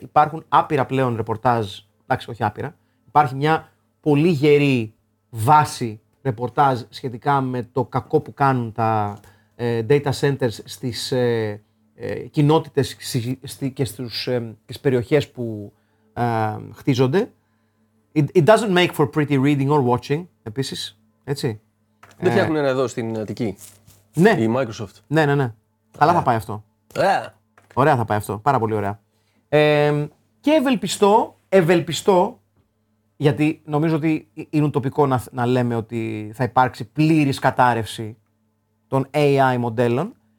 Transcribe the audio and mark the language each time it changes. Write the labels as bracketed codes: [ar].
[el] Υπάρχουν άπειρα πλέον ρεπορτάζ, εντάξει, όχι άπειρα, υπάρχει μια πολύ γερή βάση ρεπορτάζ σχετικά με το κακό που κάνουν τα data centers στις κοινότητες και στις περιοχές που χτίζονται. [en] It doesn't make for pretty reading or watching, [el] επίσης, έτσι. Δεν φτιάχνουν ένα εδώ στην Αττική, ναι. Η Microsoft. Ναι, ναι, ναι. Καλά θα πάει αυτό. Ωραία. Ωραία θα πάει αυτό. Πάρα πολύ ωραία. Και ευελπιστώ, γιατί νομίζω ότι είναι ουτοπικό να λέμε ότι θα υπάρξει πλήρης κατάρρευση των AI μοντέλων.